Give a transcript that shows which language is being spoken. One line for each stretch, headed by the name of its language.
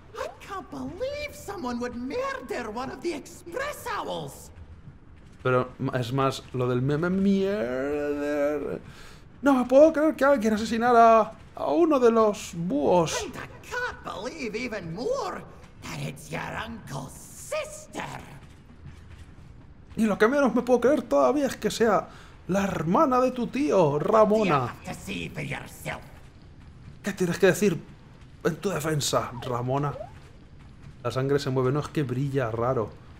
English: I can't believe someone would murder one of the Express Owls!
Spanish: Pero es más, lo del meme mierda. No me puedo creer que alguien asesinara a uno de los búhos.
English: I can't believe even more that it's your uncle's sister.
Spanish: Y lo que menos me puedo creer todavía es que sea la hermana de tu tío, Ramona.
English: You have to see for yourself.
Spanish: ¿Qué tienes que decir en tu defensa, Ramona? La sangre se mueve, no es que brilla raro.